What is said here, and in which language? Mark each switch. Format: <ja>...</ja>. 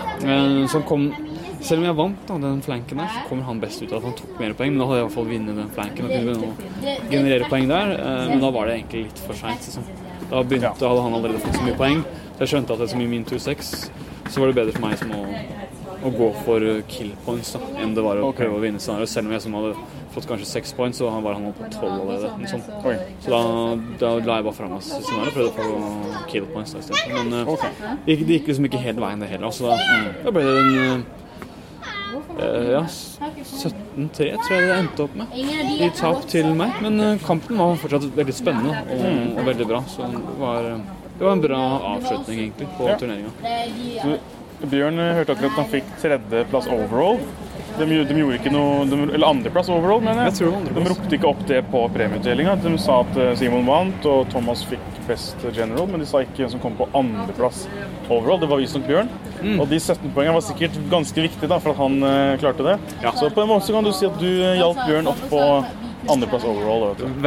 <no>Men så kom, selv om jeg vant da, den flanken der, så kommer han best ut av at han tok mer poeng. Men da hadde jeg I hvert fall vinnet den flanken og kunne begynne å generere poeng der. Men da var det egentlig litt for sent. Liksom. Da begynte, hadde han allerede fått så mye poeng. Så jeg skjønte at det så mye min 2-6, så var det bedre for meg som å gå for kill points da, enn det var å okay. prøve å vinne sånn. Og selv om jeg som hadde... fått kanske 6 points så han var han på 12 eller det sånt. Okay.</no> <sv>Så då la jag bara fram oss så när jag prövade på kill points där istället men okay. det gick liksom inte helt vägen det heller så då då blev det en ja 17-3 tror jag det ändte upp med. I tap till mig men kampen var fortsatt väldigt spännande och väldigt bra så det var en bra avslutning egentligen på ja. Turneringen. Björn hörde att han fick tredje plats overall.</sv> <no>De gjorde ikke noe, eller andreplass overall, mener jeg. Jeg tror andreplass. De ropte ikke opp det på premieutdelingen. De sa at Simon vant, og Thomas fikk best general, men de sa ikke hvem som kom på andreplass overall. Det var Vincent Bjørn. Mm. Og de 17 poengene var sikkert ganske viktige da, for at han klarte det. Ja. Så på en måte kan du si at du hjalp Bjørn opp på andreplass overall. Vet du.</no>